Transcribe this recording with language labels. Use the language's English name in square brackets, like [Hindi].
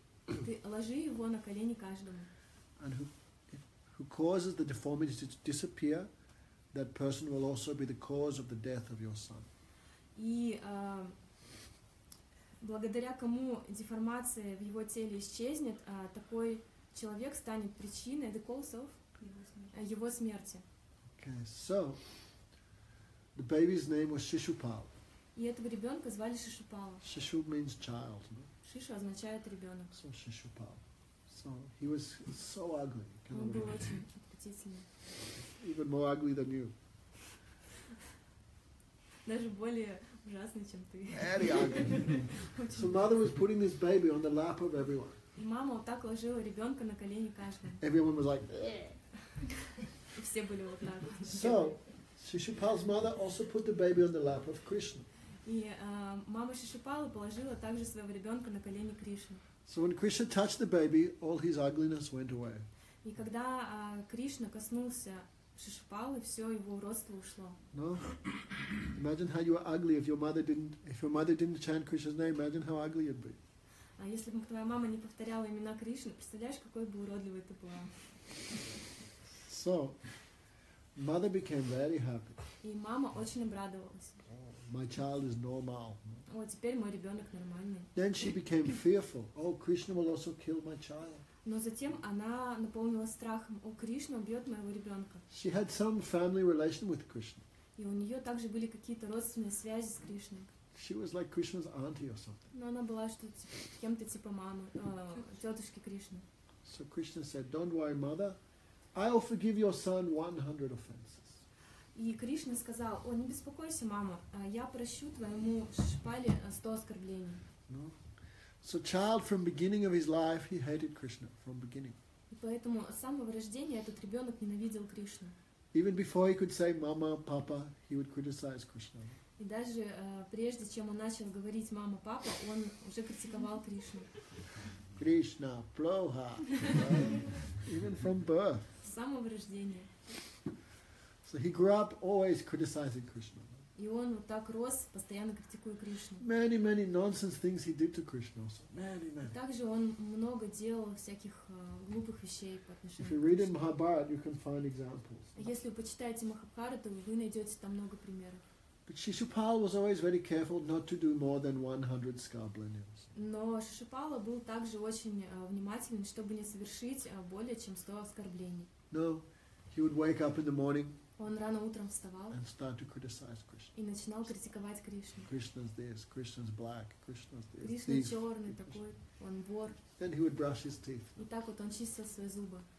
[Russian] Ты ложи его на колени каждому. [English] And who causes the deformity to disappear, that person will also be the cause of the death of your son. [Russian] И благодаря кому деформация в его теле исчезнет, такой человек станет причиной [English] the cause of [Russian] его смерти. [English] Okay, so the baby's name was Shishupal. [Russian] И этого ребенка звали Шишупал. [English] Shishu means child. No? [Russian] Шишу означает ребенок. [English] So Shishupal. So he was so ugly. [Russian] Он был очень отвратительный. [English] Even more ugly than you. [Russian] Даже более ужасный, чем ты. [English] Very ugly. So mother was putting this baby on the lap of everyone. [Russian] И мама вот так ложила ребенка на колени каждому. [English] Everyone was like. [Russian] Все были вот так. [English] So, Shishupal's mother also put the baby on the lap of Krishna. [Russian] И мама Шишупала положила также своего ребенка на колени Кришны. [English] So when Krishna touched the baby, all his ugliness went away. [Russian] И когда Кришна коснулся Шишупалы, все его уродство ушло. [English] No. Imagine how you were ugly if your mother didn't chant Krishna's name. Imagine how ugly you'd be. [Russian] А если бы твоя мама не повторяла имена Кришны, представляешь, какой бы уродливый ты была? [English] So, mother became very happy. [Russian] И мама очень обрадовалась. [English] Oh, my child is normal. [Russian] О, теперь мой ребенок нормальный. [English] Then she became fearful. Oh, Krishna will also kill my child. [Russian] Но затем она наполнилась страхом. О, Кришна убьет моего ребенка. [English] She had some family relation with Krishna. [Russian] И у нее также были какие-то родственные связи с Кришной. [English] She was like Krishna's auntie or something. [Russian] Но она была что-то кем-то типа мамы, тетушки Кришны. [English] So Krishna said, "Don't worry, mother. I'll forgive your son 100 offenses." [Russian] И Кришна сказал: "О, не беспокойся, мама, я прощу твоему Шишупале 100 оскорблений." [English] No. So child from beginning of his life he hated Krishna from beginning. [Russian] И поэтому с самого рождения этот ребенок ненавидел Кришну. [English] Even before he could say mama, papa, he would criticize Krishna. [Russian] И даже прежде чем он начал говорить мама, папа, он уже критиковал Кришну. [English] Krishna, [Russian] плохо. [English] Even from birth. [Russian] С самого рождения. [English] So he grew up always criticizing Krishna. [Russian] И он вот так рос, постоянно критикуя Кришну. [English] Many, many nonsense things he did to Krishna also. Many, many. [Russian] Также он много делал всяких глупых вещей по отношению к Кришне. [English] If you read in Mahabharata, you can find examples. [Russian] Если вы почитаете Махабхарату, вы найдете там много примеров. [English] But Shishupala was always very careful not to do more than 100 skablanyas. [Russian] Но Шишупала был также очень внимателен, чтобы не совершить более чем 100 оскорблений. [English] No, he would wake up in the morning. [Russian] Он рано утром вставал. [English] And start to criticize Krishna. [Russian] И начинал критиковать Кришну. [English] Krishna's this, Krishna's black, Krishna's this. [Russian] Кришна черный такой, он вор. [English] Then he would brush his teeth. [Russian] И так вот он чистил свои зубы.